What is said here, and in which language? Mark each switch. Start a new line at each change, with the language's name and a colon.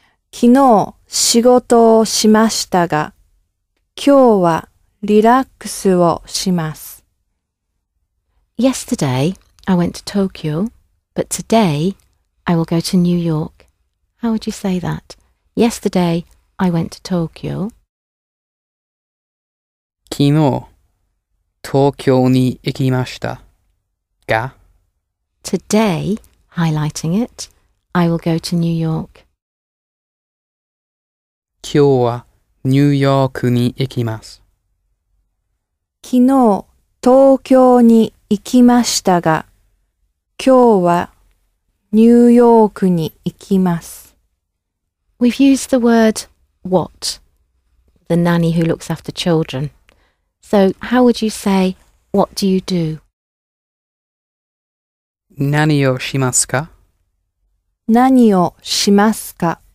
Japanese: Kino, shigoto o shimashita ga. Kyo wa. Relaxu o shimasu.
English: Yesterday, I went to Tokyo, but today, I will go to New York. How would you say that? Yesterday, I went to Tokyo.
Japanese: 昨日、東京に行きましたが。
English: Today, highlighting it, I will go to New York.
Japanese: 今日はニューヨークに行きます。昨日、東京に行きましたが、今日はニューヨークに行きます。
English: We've used the word what, the nanny who looks after children. So how would you say, what do you do?
Japanese: 何をしますか? 何をしますか?